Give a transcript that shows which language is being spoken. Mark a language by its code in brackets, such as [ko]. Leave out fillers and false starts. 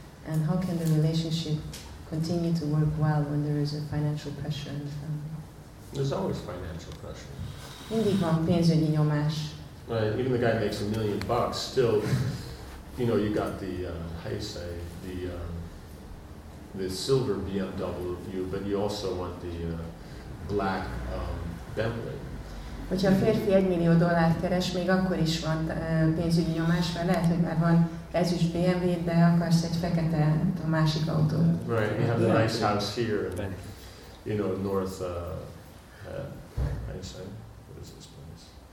[en] And how can the relationship continue to work well when there is a financial pressure in the family? There's always financial pressure. [hu] Mindig van pénzügyi nyomás. [en] Even the guy makes $1 million, still, you know, you got the silver BMW of you, but you also want the black Bentley. [hu] Hogyha a férfi $1 millió keres, még akkor is van pénzügyi nyomás, mert lehet, hogy már van ezüst BMW, de akarsz egy fekete, a másik autót. [en] Right, we have a nice house here, and, you know, north, what is this place?